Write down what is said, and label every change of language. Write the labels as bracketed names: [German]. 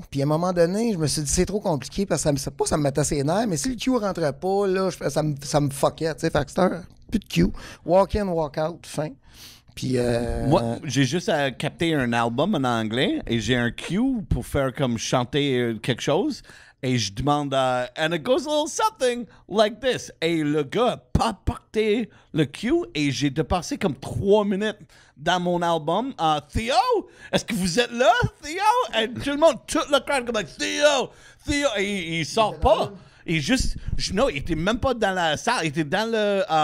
[French] Puis à un moment donné, je me suis dit, c'est trop compliqué parce que ça me mettait ses nerfs. Mais si le cue rentrait pas, là, ça me fuckait. Tu sais, Faxter, plus de cue. [English] Walk in, walk out, [French] fin. Puis moi, j'ai juste à capter un album en anglais et j'ai un cue pour faire comme chanter quelque chose. Et je demande à. [English] And it goes a little something like this. [French] Et le gars a pas porté le cue et j'ai dépassé comme 3 minutes dans mon album. Théo, est-ce que vous êtes là, Théo? Et tout le monde, tout le crowd, comme like, Théo, Théo. Et il sort pas. Il juste. Non, il était même pas dans la salle. Il était dans le.